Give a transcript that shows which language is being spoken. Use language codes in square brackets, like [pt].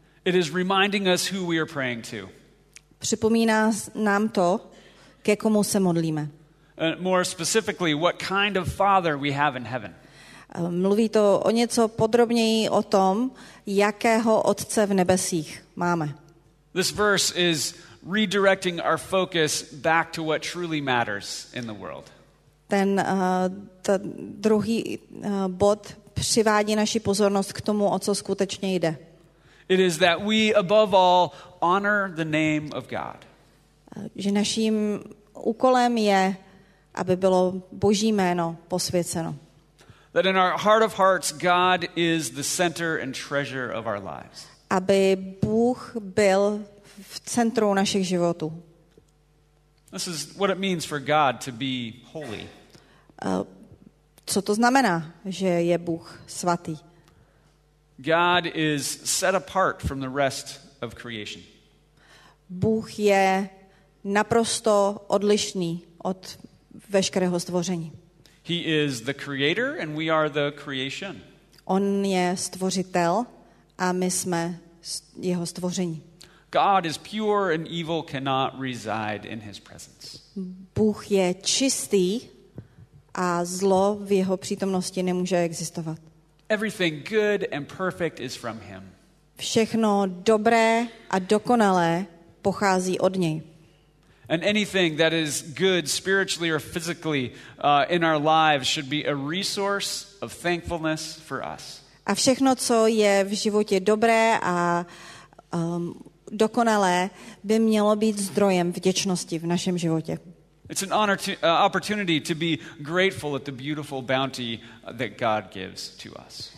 [en] It is reminding us who we are praying to. [cs] Připomíná nám to, ke komu se modlíme. [en] And more specifically, what kind of father we have in heaven. [cs] Mluví to o něco podrobněji o tom, jakého otce v nebesích máme. [en] This verse is redirecting our focus back to what truly matters in the world. [cs] Ten druhý bod přivádí naši pozornost k tomu, o co skutečně jde. [en] It is that we above all honor the name of God. [cs] Že naším úkolem je, aby bylo Boží jméno posvěceno. [en] That in our heart of hearts God is the center and treasure of our lives. [cs] Aby Bůh byl v centru našich životů. [en] This is what it means for God to be holy. [cs] Co to znamená, že je Bůh svatý? [en] God is set apart from the rest of creation. [cs] Bůh je naprosto odlišný od veškerého stvoření. [en] He is the creator and we are the creation. [cs] On je stvořitel a my jsme jeho stvoření. [en] God is pure and evil cannot reside in his presence. [cs] Bůh je čistý a zlo v jeho přítomnosti nemůže existovat. [en] Everything good and perfect is from him. [cs] Všechno dobré a dokonalé pochází od něj. [en] And anything that is good spiritually or physically in our lives should be a resource of thankfulness for us. [cs] A všechno, co je v životě dobré a dokonalé, by mělo být zdrojem vděčnosti v našem životě. [en] It's an honor to, opportunity to be grateful at the beautiful bounty that God gives to us.